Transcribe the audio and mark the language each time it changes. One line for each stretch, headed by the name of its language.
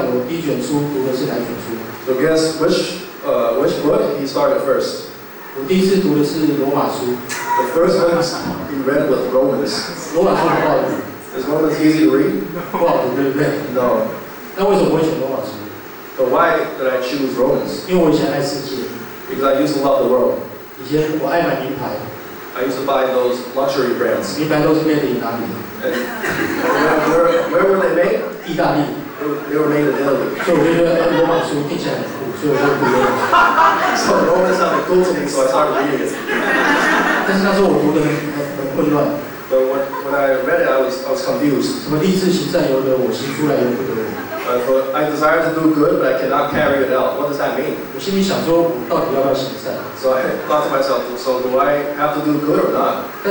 Chinese: 所以大家知道，大家猜看我第一卷书读的是哪一卷书？
English: So guess which book he started first.
Chinese: 我第一次读的是罗马书。
English: The first one he read was Romans.
Chinese: 罗马书不好读。
English: Is Romans easy to read?
Chinese: 不好读，对不对？
English: No.
Chinese: 那为什么我会选罗马书
English: ？But why did I choose Romans?
Chinese: 因为我以前爱世界。
English: Because I used to love the world.
Chinese: 以前我爱买名牌。
English: I used to buy those luxury brands.
Chinese: 名牌都是
English: made in Italy。 And where were they made?
Chinese: 意大利。
English: They were made in Italy.
Chinese: 所以我觉得罗马书听起来。
English: So Romans sounded cool to me, so I started reading it.
Chinese: 但是那时候我读的很混乱。
English: But when I read it, I was confused.
Chinese: 什么立志行善由得我，行出来由不得我。
English: But I desire to do good, but I cannot carry it out. What does that mean?
Chinese: 我心里想说，我到底要不要行善？
English: So I thought to myself, so do I have to do good or not?